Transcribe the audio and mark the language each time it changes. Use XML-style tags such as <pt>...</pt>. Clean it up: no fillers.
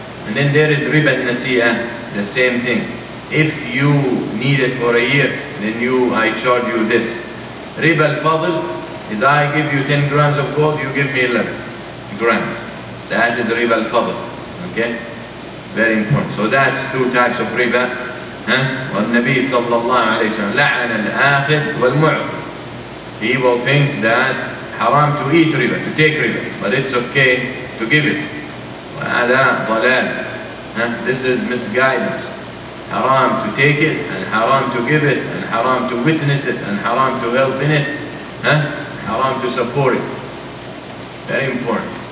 <en>And then there is riba al-nasiya, the same thing. If you need it for a year, then I charge you this. Riba al-fadl is I give you 10 grams of gold, you give me 11 grams. That is riba al-fadl. Okay? Very important. So that's two types of riba.</en> <ar>والنبي صلى الله عليه وسلم لعن الآخذ والمعطي.</ar> <en>He will think that haram to eat riba, to take riba, but it's okay to give it.</en> <ar>وهذا ضلال.</ar> <en>This is misguidance. Haram to take it, and haram to give it, and haram to witness it, and haram to help in it, haram to support it. Very important.</en>